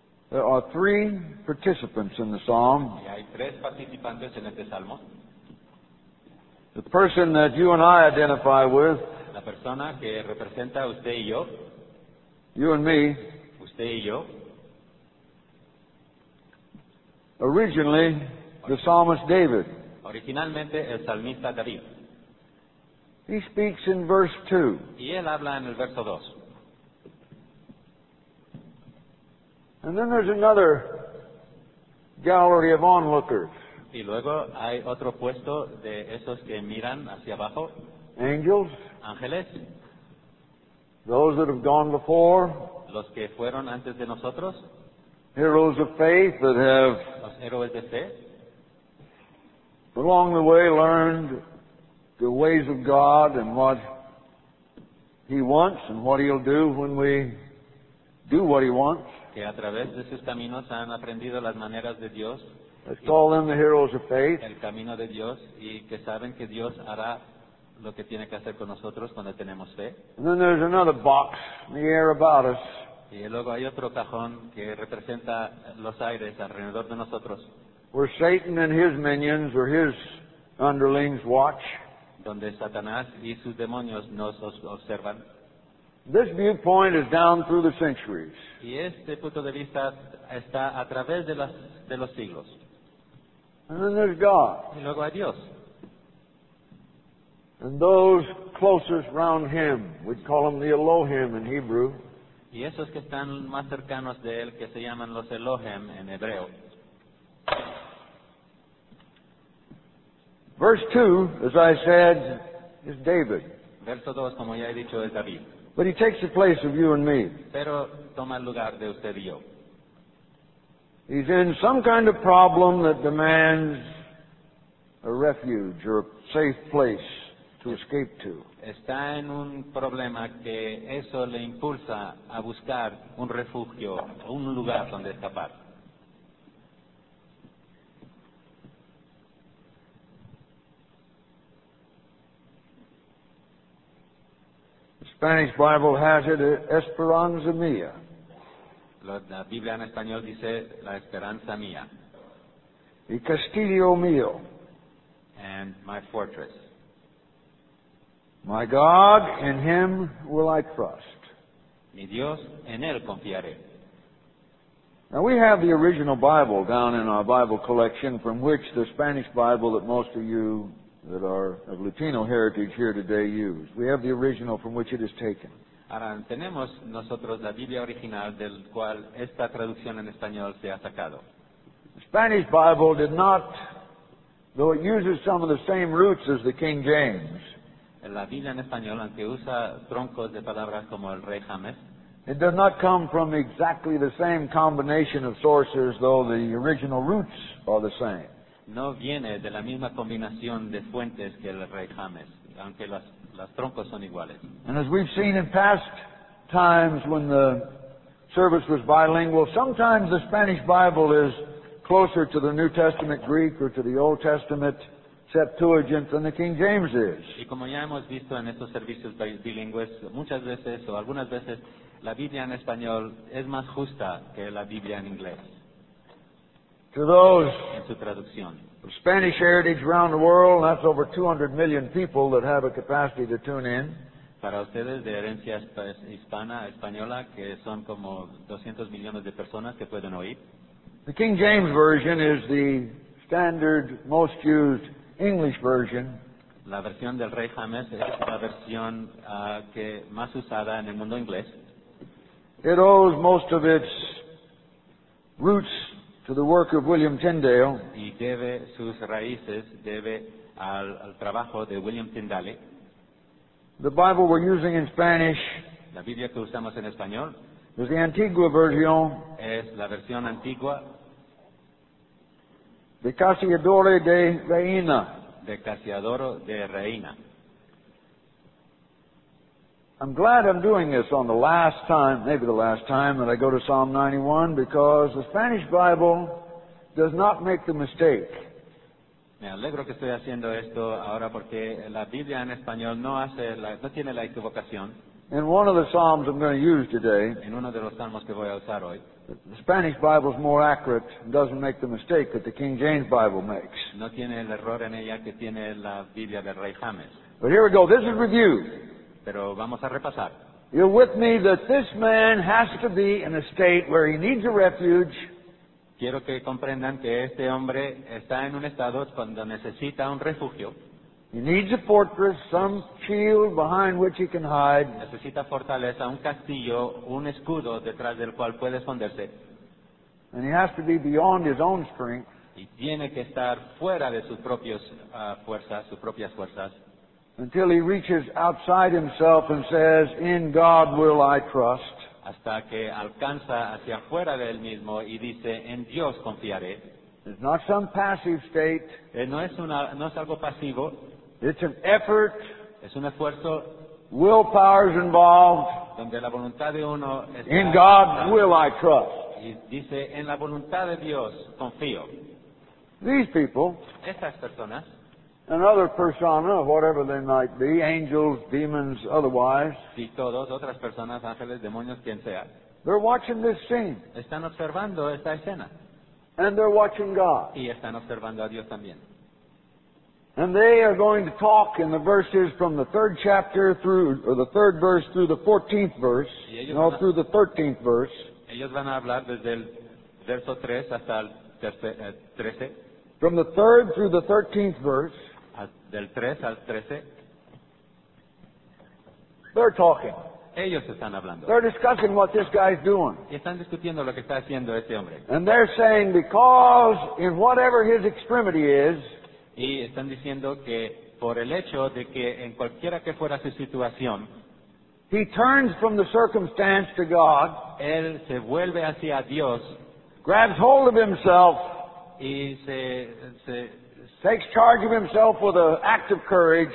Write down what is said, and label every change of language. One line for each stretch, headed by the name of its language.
English: There are three participants in the psalm.
Spanish: Y hay tres participantes en este salmo.
English: The person that you and I identify with.
Spanish: La persona que representa usted y yo.
English: You and me.
Spanish: Usted y yo.
English: Originally, the psalmist David.
Spanish: Originalmente, el salmista David.
English: He speaks in verse 2.
Spanish: Y él habla en el verso 2.
English: And then there's another gallery of onlookers.
Spanish: Y luego hay otro puesto de esos que miran hacia abajo.
English: Angels.
Spanish: Ángeles.
English: Those that have gone before.
Spanish: Los que fueron antes de nosotros.
English: Heroes of faith that have.
Spanish: Los héroes de fe.
English: Along the way learned the ways of God and what He wants and what He'll do when we do what He wants.
Spanish: Que a través de sus caminos han aprendido las maneras de Dios.
English: Let's call them the heroes of faith.
Spanish: El camino de Dios y que saben que Dios hará lo que tiene que hacer con nosotros cuando tenemos fe.
English: And then there's another box in the air about us.
Spanish: Y luego hay otro cajón que representa los aires alrededor de nosotros.
English: Where Satan and his minions or his underlings watch.
Spanish: Donde Satanás y sus demonios nos observan.
English: This viewpoint is down through the centuries.
Spanish: Y este punto de vista está a través de los siglos.
English: And then there's God.
Spanish: Y luego hay Dios.
English: And those closest round Him, we'd call them the Elohim in Hebrew.
Spanish: Y esos que están más cercanos de él que se llaman los Elohim en hebreo.
English: Verse 2, as I said, is David.
Spanish: Verso 2, como ya he dicho, es David.
English: But he takes the place of you and me.
Spanish: Pero toma el lugar de usted y yo.
English: He's in some kind of problem that demands a refuge or a safe place to escape to.
Spanish: Está en un problema que eso le impulsa a buscar un refugio, un lugar donde escapar.
English: The Spanish Bible has it
Spanish: esperanza mía. La Biblia en español dice la esperanza mía. Y castillo mío.
English: And my fortress. My God, in Him will I trust.
Spanish: Mi Dios, en Él confiaré.
English: Now we have the original Bible down in our Bible collection from which the Spanish Bible that most of you that are of Latino heritage here today use. We have the original from which it is taken.
Spanish: Ahora, tenemos nosotros la Biblia original del cual esta traducción en español se ha sacado.
English: The Spanish Bible did not, though it uses some of the same roots as the King James,
Spanish: la Biblia en español, aunque usa troncos de palabras como el Rey James,
English: it does not come from exactly the same combination of sources, though the original roots are the same.
Spanish: No viene de la misma combinación de fuentes que el rey James, aunque las troncos son iguales.
English: And as we've seen in past times when the service was bilingual, sometimes the Spanish Bible is closer to the New Testament Greek or to the Old Testament Septuagint than the King James is.
Spanish: Y como ya hemos visto en estos servicios bilingües, muchas veces o algunas veces la Biblia en español es más justa que la Biblia en inglés.
English: To those of Spanish heritage around the world, that's over 200 million people that have a capacity to tune in.
Spanish: para ustedes de herencia hispana, española, que son como 200 millones de personas que pueden oír.
English: The King James Version is the standard, most used English version.
Spanish: La versión del Rey James es la versión que más usada en el mundo inglés.
English: It owes most of its roots to the work of William Tyndale.
Spanish: Y debe sus raíces, debe al trabajo de William Tyndale.
English: The Bible we're using in Spanish,
Spanish: la Biblia que usamos en español,
English: is the Antigua version.
Spanish: Es la versión antigua. De Cassiodoro de Reina. De Cassiodoro de Reina.
English: I'm glad I'm doing this on the last time, maybe the last time, that I go to Psalm 91, because the Spanish Bible does not make the mistake.
Spanish: Me alegro que estoy haciendo esto ahora porque la Biblia en español no tiene la equivocación.
English: In one of the Psalms I'm going to use today,
Spanish: en uno de los salmos que voy a usar hoy,
English: the Spanish Bible is more accurate and doesn't make the mistake that the King James Bible makes.
Spanish: No tiene el error en ella que tiene la Biblia del Rey James.
English: But here we go. This is review.
Spanish: Pero vamos a repasar.
English: You're with me that this man has to be in a state where he needs a refuge.
Spanish: Quiero que comprendan que este hombre está en un estado cuando necesita un refugio.
English: He needs a fortress, some shield behind which he can hide.
Spanish: Necesita fortaleza, un castillo, un escudo detrás del cual puede esconderse.
English: And he has to be beyond his own strength.
Spanish: Y tiene que estar fuera de sus propias fuerzas, sus propias fuerzas.
English: Until he reaches outside himself and says, "In God will I trust."
Spanish: Hasta que alcanza hacia afuera de él mismo y dice, "En Dios confiaré."
English: It's not some passive state.
Spanish: No es algo pasivo.
English: It's an effort.
Spanish: Es un esfuerzo.
English: Willpower is involved.
Spanish: Donde la voluntad de uno está.
English: In God will I trust.
Spanish: Y dice, en la voluntad de Dios confío.
English: These people.
Spanish: Estas personas.
English: Another persona, whatever they might be, angels, demons, otherwise.
Spanish: Y todos, otras personas, ángeles, demonios, quien sea.
English: They're watching this scene.
Spanish: Están observando esta escena.
English: And they're watching God.
Spanish: Y están observando a Dios también.
English: And they are going to talk in the verses from the third chapter through, or the third verse through the 14th verse, through the 13th verse.
Spanish: Ellos van a hablar desde el verso 3 hasta el 13.
English: From the third through the 13th verse.
Spanish: Del 3 al 13.
English: They're talking.
Spanish: Ellos están hablando.
English: They're discussing what this guy's doing.
Spanish: Y están discutiendo lo que está haciendo este hombre.
English: And they're saying because in whatever his extremity is.
Spanish: Y están diciendo que por el hecho de que en cualquiera que fuera su situación,
English: he turns from the circumstance to God,
Spanish: él se vuelve hacia Dios,
English: grabs hold of himself,
Spanish: y se
English: takes charge of himself with an act of courage,